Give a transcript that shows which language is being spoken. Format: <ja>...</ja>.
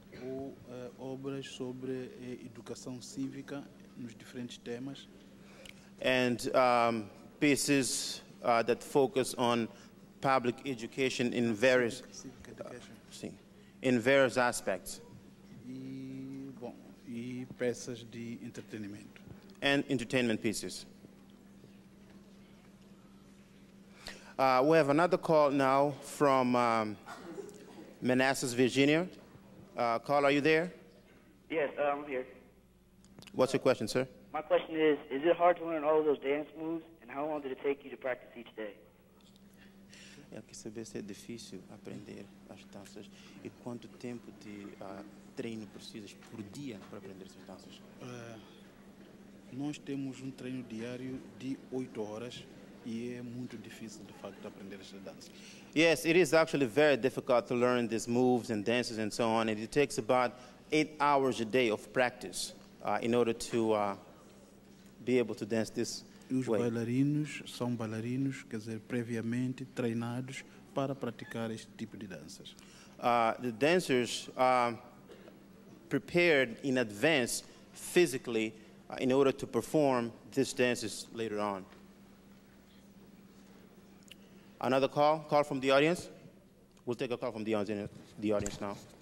<pt>Ou obras sobre educação cívica nos diferentes temas.</pt> <en>And pieces that focus on public education in various aspects.</en> <pt>E peças de entretenimento.</pt> <en>And entertainment pieces. We have another call now from Manassas, Virginia. Carl, are you there? Yes, I'm here. What's your question, sir? My question is it hard to learn all of those dance moves, and how long did it take you to practice each day?</en> <pt>Eu quero saber se é difícil aprender as danças e quanto tempo de treino precisas por dia para aprender essas danças. Nós temos treino diário de 8 horas e é muito difícil, de facto, aprender essas danças.</pt> <en>Yes, it is actually very difficult to learn these moves and dances and so on, and it takes about 8 hours a day of practice in order to be able to dance this way.</en> <pt>Os bailarinos são bailarinos, quer dizer, previamente treinados para praticar este tipo de danças.</pt> <en>The dancers are prepared in advance physically in order to perform these dances later on. Another call, call from the audience. We'll take a call from the audience now.</en>